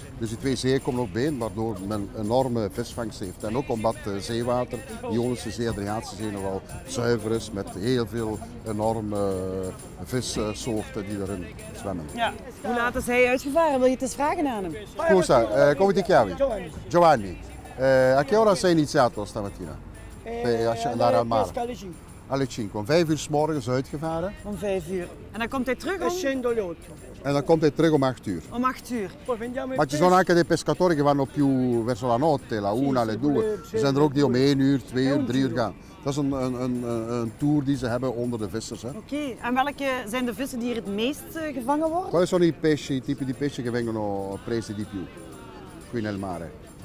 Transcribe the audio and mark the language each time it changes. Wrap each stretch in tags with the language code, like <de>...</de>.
<nl>Dus die twee zeeën komen op been, waardoor men enorme visvangst heeft. En ook omdat de zeewater, de Ionische Zee, Adriatische Zee, nogal zuiver is met heel veel enorme vissoorten die erin zwemmen. Ja. Hoe laat is hij uitgevaren? Wil je het eens vragen aan hem?</nl> <it>Scusa, come ti chiami? Giovanni. A che ora sei iniziato stamattina? Andare al mare. Alle 5.</it> <nl>Om 5 uur 's morgens uitgevaren. Om 5 uur. En dan komt hij terug En dan komt hij terug om 8 uur. Om 8 uur.</nl> <it>Ma ci sono anche dei pescatori che vanno più verso la notte, la una, le due.</it> <nl>Ze zijn er ook die om 1 uur, 2 uur, 3 uur gaan. Dat is een tour die ze hebben onder de vissers. Oké. Okay. En welke zijn de vissen die hier het meest gevangen worden?</nl> <it>Quali sono i pesci, i tipi di pesci che vengono presi di più qui nel mare?</it>